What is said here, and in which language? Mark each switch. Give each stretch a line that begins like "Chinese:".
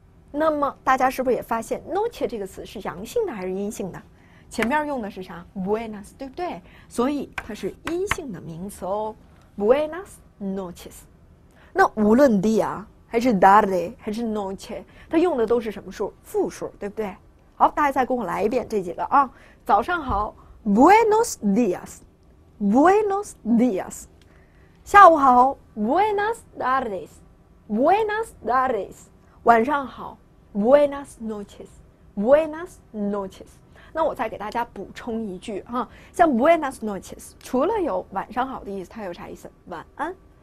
Chinese: 那么大家是不是也发现 noche 这个词是阳性的还是阴性的？前面用的是啥 ？Buenas， 对不对？所以它是阴性的名词哦。
Spanish: Buenas noches。
Chinese: 那无论 día 还是 tarde 还是 noche， 它用的都是什么数？复数，对不对？好，大家再跟我来一遍这几个啊。早上好
Spanish: ，Buenos días。 Buenos días，
Chinese: 下午好
Spanish: ，Buenas tardes，Buenas tardes，
Chinese: 晚上好
Spanish: ，Buenas noches，Buenas noches。
Chinese: 那我再给大家补充一句啊，像
Spanish: Buenas noches，
Chinese: 除了有晚上好的意思，它有啥意思？晚安。